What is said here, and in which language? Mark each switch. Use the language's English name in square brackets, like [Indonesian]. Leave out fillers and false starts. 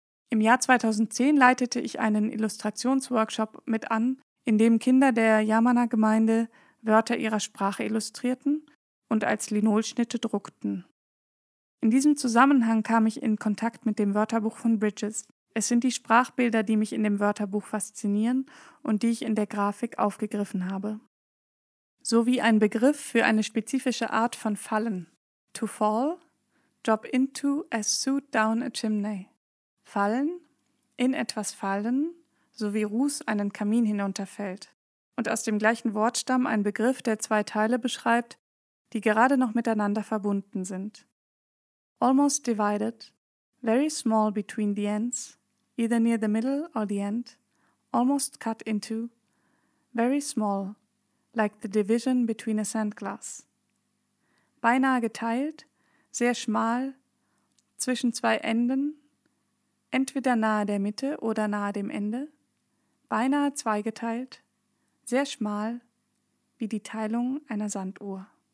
[German] Im Jahr 2010 leitete ich einen Illustrationsworkshop mit an, in dem Kinder der Yamana-Gemeinde Wörter ihrer Sprache illustrierten und als Linolschnitte druckten. In diesem Zusammenhang kam ich in Kontakt mit dem Wörterbuch von Bridges. Es sind die Sprachbilder, die mich in dem Wörterbuch faszinieren und die ich in der Grafik aufgegriffen habe. So wie ein Begriff für eine spezifische Art von Fallen. [English] To fall, drop into as soot down a chimney. [German] Fallen, in etwas fallen, so wie Ruß einen Kamin hinunterfällt. Und aus dem gleichen Wortstamm ein Begriff, der zwei Teile beschreibt, die gerade noch miteinander verbunden sind. [English] Almost divided, very small between the ends, either near the middle or the end, almost cut into, very small, like the division between a sand glass. [German] Beinahe geteilt, sehr schmal, zwischen zwei Enden, entweder nahe der Mitte oder nahe dem Ende, beinahe zweigeteilt, sehr schmal, wie die Teilung einer Sanduhr.